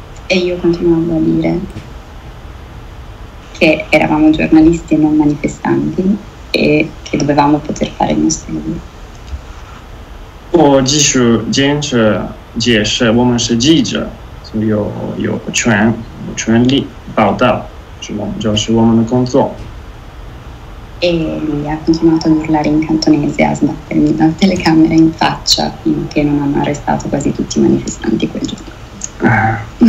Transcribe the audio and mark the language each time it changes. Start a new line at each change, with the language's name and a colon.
Italian: Io continuavo a dire che eravamo giornalisti e non manifestanti e che dovevamo poter fare i nostri lavori.
Chinese: 我继续坚持解释，我们是记者，所以有权利报道，是我们就是我们的工作。
Italian: E lui ha continuato a urlare in cantonese a sbattermi la telecamera in faccia finché non hanno arrestato quasi tutti i manifestanti quel giorno.